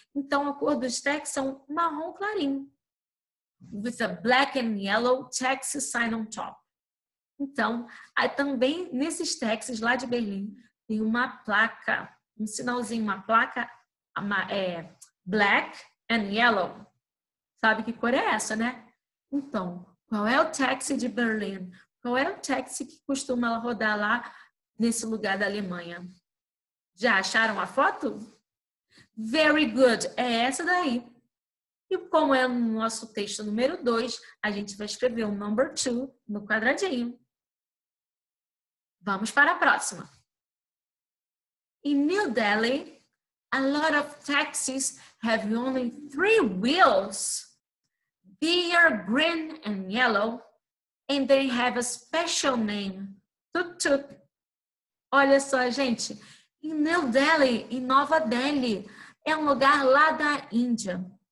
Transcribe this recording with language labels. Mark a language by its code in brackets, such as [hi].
[pt] Então, a cor dos taxis são marrom clarinho. [en] With a black and yellow taxi sign on top. [pt] Então, há também nesses taxis lá de Berlim, tem uma placa, um sinalzinho, uma placa [en] black and yellow. [pt] Sabe que cor é essa, né? Então, qual é o táxi de Berlim? Qual é o táxi que costuma rodar lá nesse lugar da Alemanha? Já acharam a foto? [en] Very good! [pt] É essa daí. E como é o nosso texto número 2, a gente vai escrever o [en] number 2 [pt] no quadradinho. Vamos para a próxima. [en] In New Delhi, a lot of taxis have only 3 wheels. They are green and yellow, and they have a special name, tuk-tuk. [pt] Olha só, gente. Em New Delhi, em Nova Delhi, é um lugar lá da Índia.